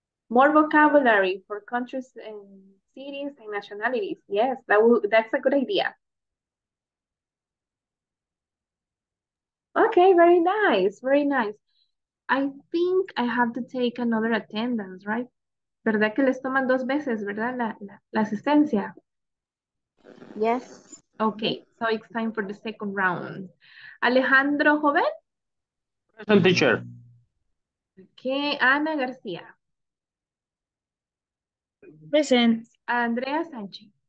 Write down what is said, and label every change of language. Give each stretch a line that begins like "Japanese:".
English: More vocabulary for countries and cities and nationalities. Yes, that's a good idea. Okay, very nice, very nice. I think I have to take another attendance, right?
Spanish: ¿Verdad que les toman dos veces, verdad, la asistencia?
English: Yes. Okay, so it's time for the second round. Alejandro Joven? Present, teacher. Okay, Ana García? Present. Andrea Sánchez?